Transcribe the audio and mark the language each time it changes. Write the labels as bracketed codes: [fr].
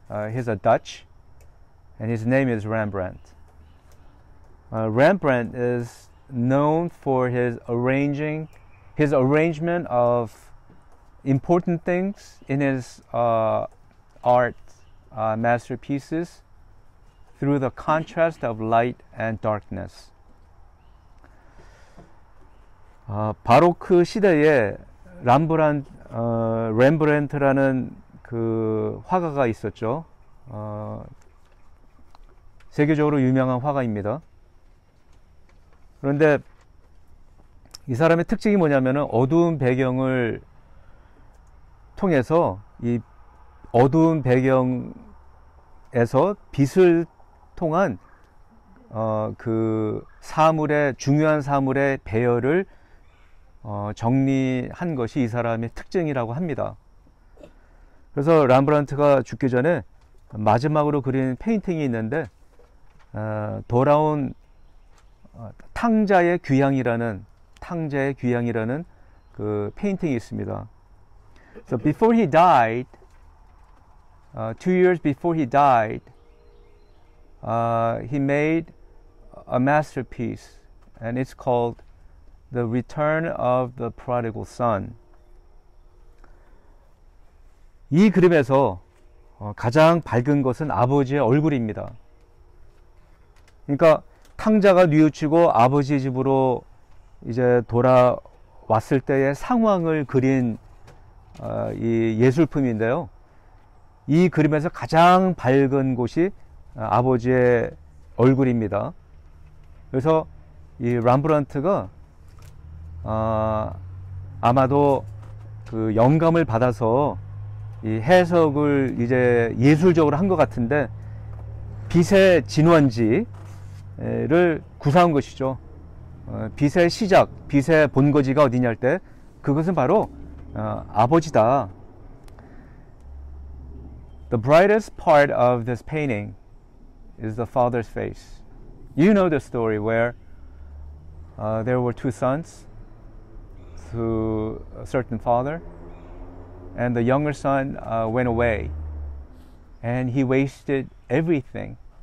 [en] He's a Dutch, and his name is Rembrandt. Rembrandt is known for his arrangement of important things in his art masterpieces through the contrast of light and darkness. [ko] 바로크 시대에 렘브란트라는 그 화가가 있었죠. 세계적으로 유명한 화가입니다. 그런데 이 사람의 특징이 뭐냐면은 어두운 배경을 통해서 이 어두운 배경에서 빛을 통한 그 사물의 중요한 사물의 배열을 정리한 것이 이 사람의 특징이라고 합니다. 그래서 람브란트가 죽기 전에 마지막으로 그린 페인팅이 있는데 돌아온 탕자의 귀향이라는 그 페인팅이 있습니다. [en] So before he died, 2 years before he died, he made a masterpiece, and it's called The Return of the Prodigal Son. [ko] 이 그림에서 가장 밝은 것은 아버지의 얼굴입니다. 그러니까 탕자가 뉘우치고 아버지 집으로 이제 돌아왔을 때의 상황을 그린 이 예술품인데요. 이 그림에서 가장 밝은 곳이 아버지의 얼굴입니다. 그래서 이 람브란트가 아마도 그 영감을 받아서 이 해석을 이제 예술적으로 한 것 같은데 빛의 진원지를 구사한 것이죠. 빛의 시작, 빛의 본거지가 어디냐 할 때 그것은 바로 아버지다. [en] The brightest part of this painting is the father's face. You know the story where there were two sons to a certain father, and the younger son went away, and he wasted everything.